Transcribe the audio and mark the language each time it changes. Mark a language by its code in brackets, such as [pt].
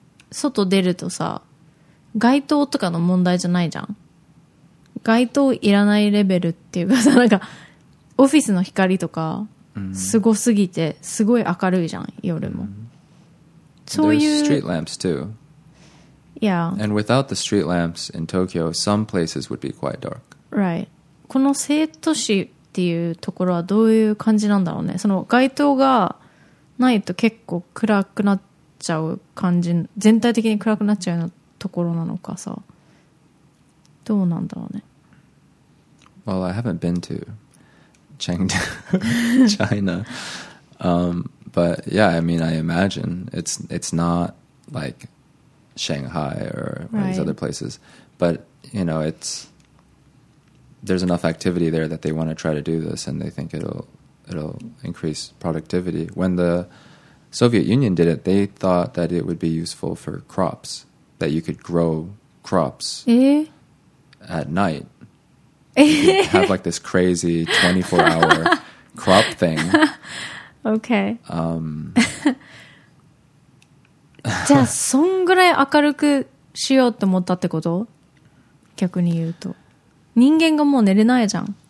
[ja] 外出るとさ、街灯とかの問題じゃないじゃん。街灯いらないレベルっていうかさ、なんか、オフィスの光とか、すごすぎて、すごい明るいじゃん、夜も。そういう。 [en] street lamps too. Yeah. And without the street lamps in Tokyo, some places would be quite dark. Right. [ja] この西都市っていうところはどういう感じなんだろうね。その街灯がないと結構暗くなっちゃう感じ、全体的に暗くなっちゃうようなところなのかさ。どうなんだろうね。 [en] Well, I haven't been to Chengdu, China. but yeah, I mean, I imagine it's not like Shanghai or these other places. But you know, it's, there's enough activity there that they want to try to do this, and they think it'll increase productivity. When the Soviet Union did it, they thought that it would be useful for crops, that you could grow crops at night. You have like this crazy 24-hour crop thing. Okay. [ja] じゃあそんぐらい明るくしようと思ったってこと？逆に言うと。人間がもう寝れないじゃん。